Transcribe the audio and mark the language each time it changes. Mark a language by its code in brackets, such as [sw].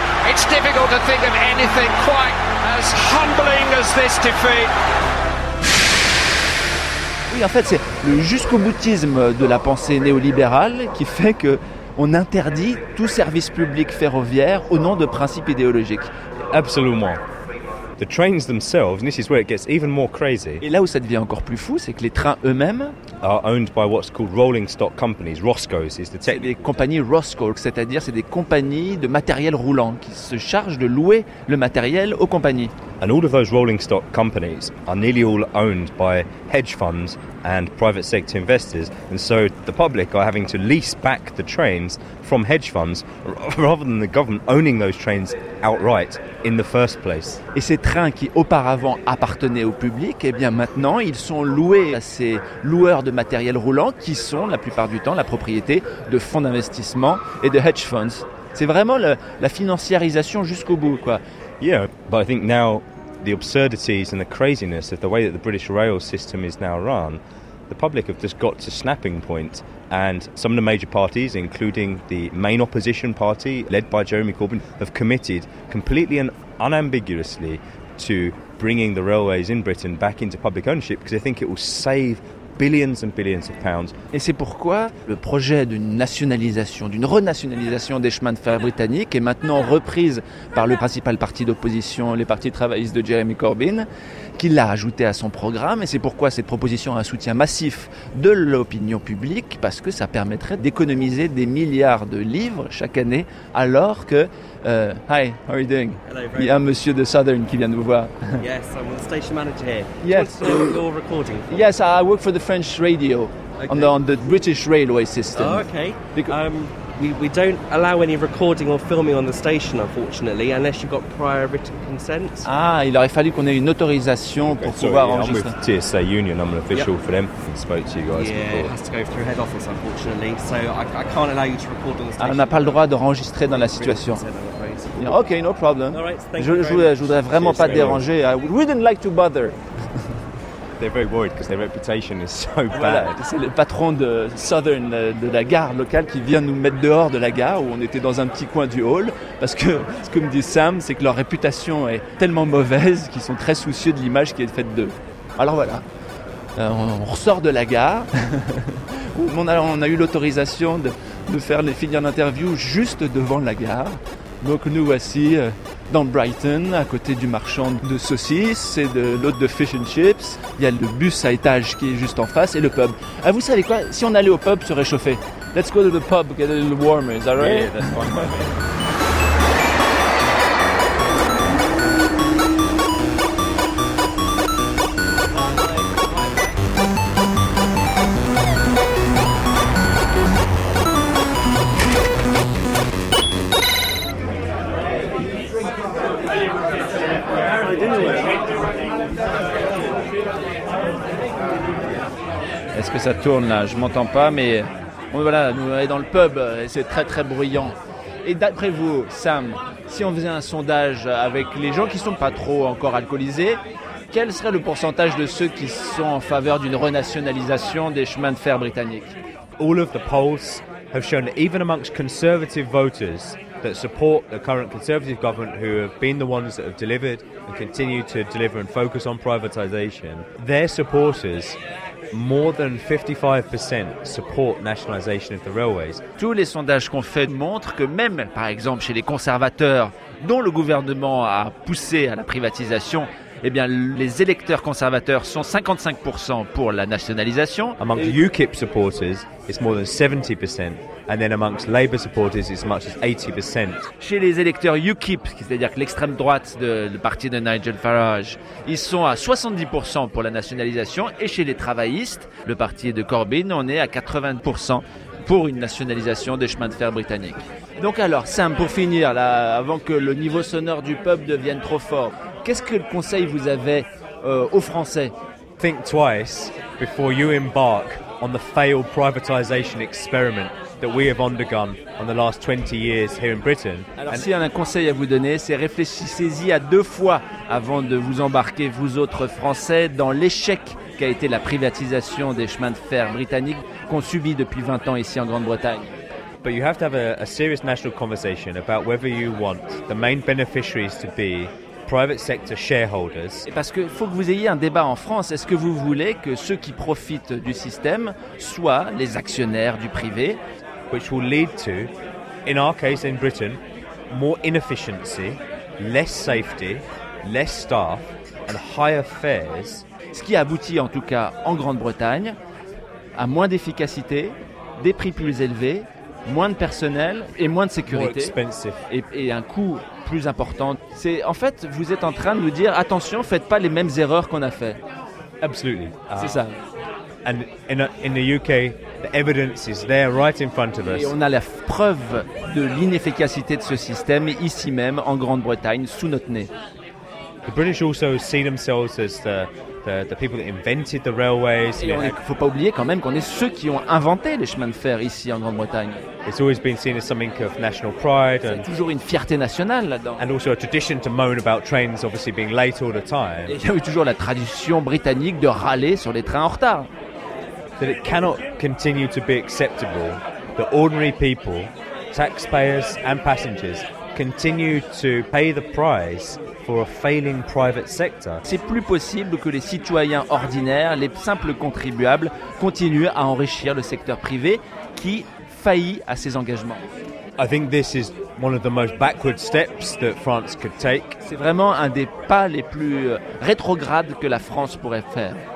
[en] It's difficult to think of anything quite as humbling as this defeat. [fr] Oui, en fait, c'est le jusqu'au boutisme de la pensée néolibérale qui fait que on interdit tout service public ferroviaire au nom de principes idéologiques. Absolument. [en] The trains themselves, this is where it gets even more crazy. [fr] Et là où ça devient encore plus fou, c'est que les trains eux-mêmes [en] are owned by what's called rolling stock companies. Roscoe's is the technical. [fr] C'est des compagnies Roscoe, c'est-à-dire c'est des compagnies de matériel roulant qui se chargent de louer le matériel aux compagnies. [en] And all of those rolling stock companies are nearly all owned by hedge funds and private sector investors, and so the public are having to lease back the trains from hedge funds rather than the government owning those trains outright in the first place. [fr] Et ces trains qui auparavant appartenaient au public, eh bien maintenant ils sont loués à ces loueurs de matériel roulant qui sont la plupart du temps la propriété de fonds d'investissement et de hedge funds. C'est vraiment la financiarisation jusqu'au bout, quoi. [en] Yeah, but I think now the absurdities and the craziness of the way that the British rail system is now run, the public have just got to snapping point, and some of the major parties, including the main opposition party led by Jeremy Corbyn, have committed completely and unambiguously to bringing the railways in Britain back into public ownership because they think it will save billions and billions of pounds. [fr] Et c'est pourquoi le projet d'une nationalisation, d'une renationalisation des chemins de fer britanniques est maintenant reprise par le principal parti d'opposition, les partis travaillistes de Jeremy Corbyn, qui l'a ajouté à son programme. Et c'est pourquoi cette proposition a un soutien massif de l'opinion publique, parce que ça permettrait d'économiser des milliards de livres chaque année, alors que... [en] Hi, how are you doing? Hello, [fr] il y a un monsieur de Southern qui vient nous voir. [en] Yes, I'm the station manager here. Yes. You're recording. Yes, I work for the French radio, okay. on the British railway system. Oh, okay. Because... We don't allow any recording or filming on the station, unfortunately, unless you've got prior written consent. [fr] Ah, il aurait fallu qu'on ait une autorisation pour pouvoir enregistrer. [en] I'm with TSA Union, I'm an official for them. I spoke to you guys before. Yeah, it has to go through head office, unfortunately. So I can't allow you to record on the station. [fr] On n'a pas le droit d'enregistrer dans la situation. [en] Ok, no problem. All right, thank you. [fr] Je voudrais vraiment pas déranger. [en] I wouldn't like to bother. They're very worried because their reputation is so bad. [fr] Voilà, c'est le patron de Southern, de la gare locale, qui vient nous mettre dehors de la gare où on était dans un petit coin du hall, parce que ce que me dit Sam, c'est que leur réputation est tellement mauvaise qu'ils sont très soucieux de l'image qui est faite d'eux. Alors voilà, on ressort de la gare. on a eu l'autorisation de faire les finir l'interview juste devant la gare. Donc nous voici dans Brighton, à côté du marchand de saucisses et de l'autre de fish and chips. Il y a le bus à étage qui est juste en face et le pub. Ah, vous savez quoi? Si on allait au pub se réchauffer. [en] Let's go to the pub, get a little warmer, is that right? Yeah, that's fine. [fr] Est-ce que ça tourne là? Je m'entends pas, mais bon, voilà, nous on est dans le pub et c'est très très bruyant. Et d'après vous, Sam, si on faisait un sondage avec les gens qui sont pas trop encore alcoolisés, quel serait le pourcentage de ceux qui sont en faveur d'une renationalisation des chemins de fer britanniques? [en] All of the polls have shown that even amongst conservative voters that support the current conservative government, who have been the ones that have delivered and continue to deliver and focus on privatization, their supporters, more than 55% support nationalisation of the railways. [fr] Tous les sondages qu'on fait montrent que même, par exemple, chez les conservateurs, dont le gouvernement a poussé à la privatisation, eh bien, les électeurs conservateurs sont 55% pour la nationalisation. [en] Amongst UKIP supporters, it's more than 70%. And then amongst Labour supporters, it's as much as 80%. [fr] Chez les électeurs UKIP, c'est-à-dire que l'extrême droite du parti de Nigel Farage, ils sont à 70% pour la nationalisation. Et chez les travaillistes, le parti de Corbyn, on est à 80% pour une nationalisation des chemins de fer britanniques. Donc alors, Sam, pour finir, là, avant que le niveau sonore du peuple devienne trop fort, qu'est-ce que le conseil vous avez aux Français? [en] Think twice before you embark on the failed privatization experiment that we have undergone on the last 20 years here in Britain. [fr] Alors, s'il y a un conseil à vous donner, c'est réfléchissez-y à deux fois avant de vous embarquer, vous autres Français, dans l'échec qu'a été la privatisation des chemins de fer britanniques. qu'on subit depuis 20 ans ici en Grande-Bretagne. [en] But you have to have a serious national conversation about whether you want the main beneficiaries to be private sector shareholders. [fr] Et parce que faut que vous ayez un débat en France, est-ce que vous voulez que ceux qui profitent du système soient les actionnaires du privé? [en] Which will lead to, in our case in Britain, more inefficiency, less safety, less staff and higher fares. [fr] Ce qui aboutit en tout cas en Grande-Bretagne à moins d'efficacité, des prix plus élevés, moins de personnel et moins de sécurité et un coût plus important. C'est, en fait, vous êtes en train de nous dire attention, faites pas les mêmes erreurs qu'on a fait. [en] Absolutely. [fr] C'est ça. [en] And in the UK, the evidence is there right in front of us. [fr] Et on a la preuve de l'inefficacité de ce système ici même en Grande-Bretagne sous notre nez. [en] The British also see themselves as the people that invented the railways. [fr] Faut pas oublier quand même qu'on est ceux qui ont inventé les chemins de fer ici en Grande-Bretagne. [en] It's always been seen as something of national pride. [fr] C'est toujours une fierté nationale là-dedans. [en] And also a tradition to moan about trains obviously being late all the time. [fr] Il y a eu toujours la tradition britannique de râler sur les trains en retard. [en] That it cannot continue to be acceptable that ordinary people, taxpayers and passengers continue to pay the price for a failing private sector. [fr] C'est plus possible que les citoyens ordinaires, les simples contribuables, continuent à enrichir le secteur privé qui faillit à ses engagements. [en] I think this is one of the most backward steps that France could take. [fr] C'est vraiment un des pas les plus rétrogrades que la France pourrait faire.